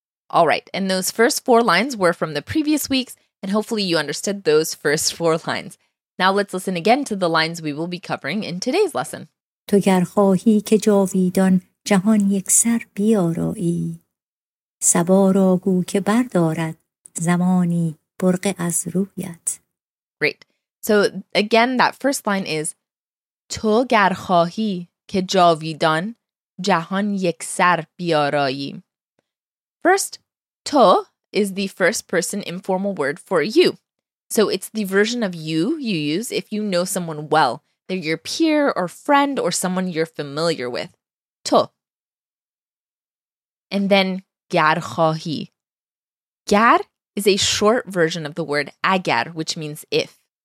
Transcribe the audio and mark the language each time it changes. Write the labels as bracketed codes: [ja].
[en] All right, and those first 4 lines were from the previous weeks, and hopefully you understood those first 4 lines. Now let's listen again to the lines we will be covering in today's lesson. [fa] تو گر خواهی که جاویدان جهان یک سر بیارایی سبا را گو که بردارد زمانی برق از رویت. [en] Great. So again, that first line is [fa] تو گر خواهی که جاویدان جهان یک سر بیارایی. [en] First, تو is the first person informal word for you. So it's the version of you use if you know someone well. They're your peer or friend or someone you're familiar with. [fa] تو. [en] And then [fa] گر خواهی. [en] گر is a short version of the word اگر, which means if.